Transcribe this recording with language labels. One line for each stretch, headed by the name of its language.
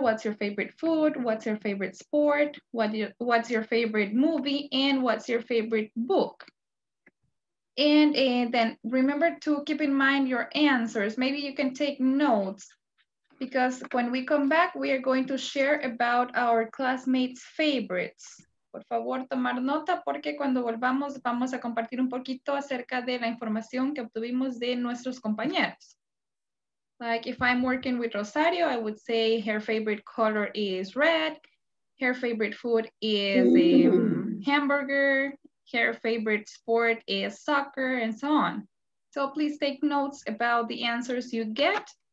English: What's your favorite food? What's your favorite sport? What's your favorite movie? And what's your favorite book? And then remember to keep in mind your answers. Maybe you can take notes, because when we come back, we are going to share about our classmates' favorites.
Spanish: Por favor, tomar nota, porque cuando volvamos, vamos a compartir un poquito acerca de la información que obtuvimos de nuestros compañeros.
English: Like if I'm working with Rosario, I would say her favorite color is red. Her favorite food is hamburger. Her favorite sport is soccer, and so on. So please take notes about the answers you get.